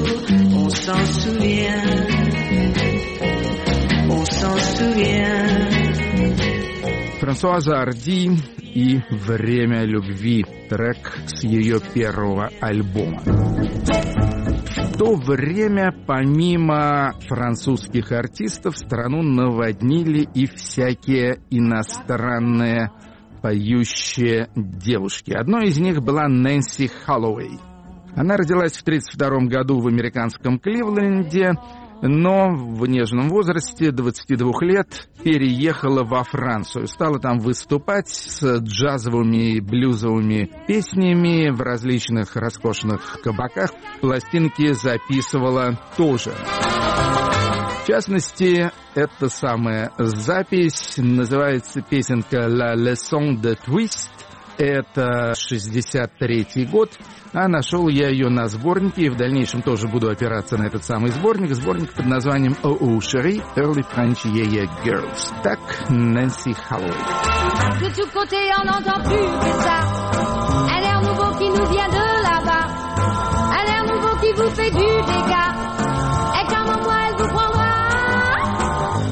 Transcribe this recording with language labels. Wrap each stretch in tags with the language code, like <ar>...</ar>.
<fr>Toujours, on s'en souvient, on s'en souvient.</fr> <ru>Франсуаза Арди и «Время любви» – трек с ее первого альбома. В то время, помимо французских артистов, страну наводнили и всякие иностранные поющие девушки. Одной из них была Нэнси Холлоуэй. Она родилась в 1932 году в американском Кливленде, но в нежном возрасте, 22 лет, переехала во Францию. Стала там выступать с джазовыми и блюзовыми песнями в различных роскошных кабаках. Пластинки записывала тоже. В частности, эта самая запись называется песенка «La Leçon de Twist». Это 63-й год, а нашел я ее на сборнике, и в дальнейшем тоже буду опираться на этот самый сборник. Сборник под названием «Oh, Cherie, Early French Yeah Girls». Так, Нэнси Холлоуэй.</ru> <fr>De tous côtés, on n'entend plus que ça. Un air nouveau qui nous vient de là-bas. Un air nouveau qui vous fait du dégât. Et comme moi, elle vous prendra.</fr>